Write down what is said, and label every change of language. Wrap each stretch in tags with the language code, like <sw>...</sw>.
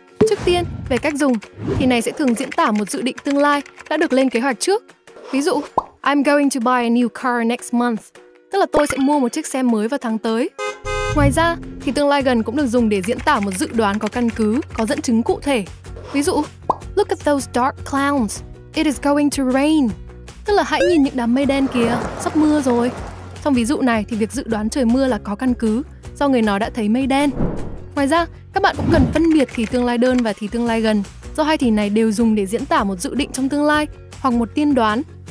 <vi>Trước tiên, về cách dùng, thì này sẽ thường diễn tả một dự định tương lai đã được lên kế hoạch trước. Ví dụ,</vi> <en>I'm going to buy a new car next month,</en> <vi>tức là tôi sẽ mua một chiếc xe mới vào tháng tới. Ngoài ra, thì tương lai gần cũng được dùng để diễn tả một dự đoán có căn cứ, có dẫn chứng cụ thể. Ví dụ,</vi> <en>look at those dark clouds, it is going to rain.</en> <vi>Tức là hãy nhìn những đám mây đen kìa, sắp mưa rồi. Trong ví dụ này thì việc dự đoán trời mưa là có căn cứ, do người nói đã thấy mây đen. Ngoài ra, các bạn cũng cần phân biệt thì tương lai đơn và thì tương lai gần, do hai thì này đều dùng để diễn tả một dự định trong tương lai hoặc một tiên đoán.</vi>